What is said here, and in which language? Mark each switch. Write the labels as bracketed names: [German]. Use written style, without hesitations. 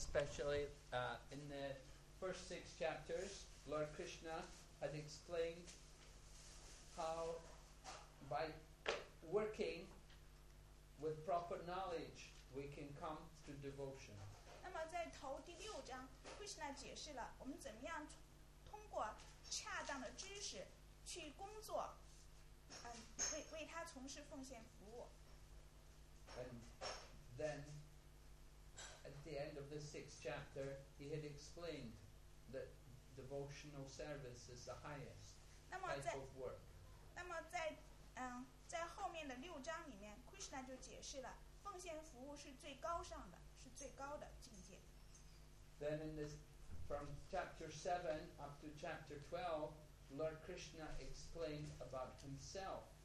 [English] Especially in the first 6 chapters, Lord Krishna had explained how by working with proper knowledge we can come to devotion. [Chinese] 那么在头第6章, Krishna解释了我们怎么样通过恰当的知识去工作，为他从事奉献服务。 [English] And then at the end of the 6th chapter, he had explained that devotional service is the highest type of work. [Chinese] 那么在后面的6章里面, Krishna就解释了奉献服务是最高尚的，是最高的境界。 [English] Then in this, from chapter 7 up to chapter 12, Lord Krishna explained about himself.